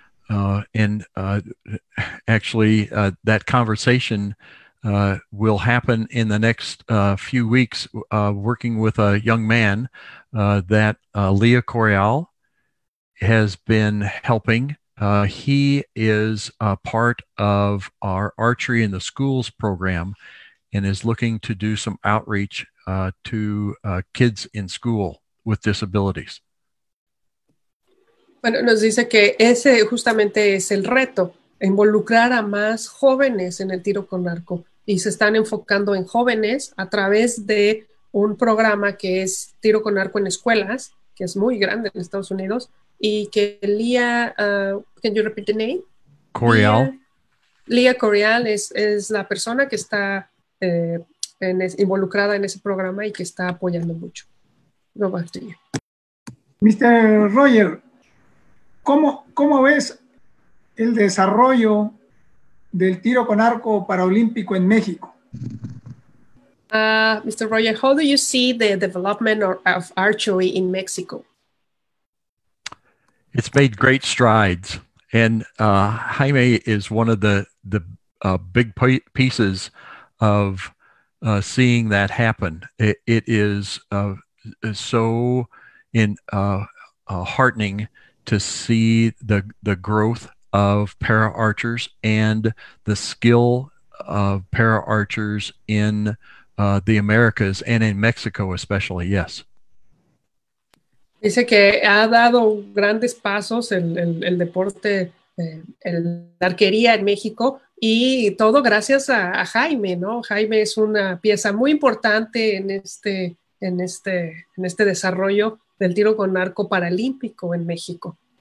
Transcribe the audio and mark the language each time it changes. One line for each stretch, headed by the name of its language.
English: That conversation will happen in the next few weeks, working with a young man that Leah Correal has been helping. He is a part of our archery in the schools program and is looking to do some outreach to kids in school with disabilities.
Spanish: Bueno, nos dice que ese justamente es el reto, involucrar a más jóvenes en el tiro con arco. Y se están enfocando en jóvenes a través de un programa que es Tiro con Arco en Escuelas, que es muy grande en Estados Unidos. Y que
English: Leah, can you repeat the name? Correal.
Spanish: Leah Correal es la persona que está involucrada en ese programa y que está apoyando mucho. Lo va a tener.
English: Mr.
Spanish: Roger, ¿cómo ves el desarrollo del tiro con arco paralímpico en México?
English: Mr. Roger, how do you see the development of archery in Mexico? It's made great strides, and Jaime is one of the big pieces of seeing that happen. It is so heartening to see the growth of para archers and the skill of para archers in the Americas and in Mexico especially. Yes.
Spanish: Dice que ha dado grandes pasos el deporte, la arquería en México, y todo gracias a Jaime, ¿no? Jaime es una pieza muy importante en este desarrollo del tiro con arco paralímpico en México.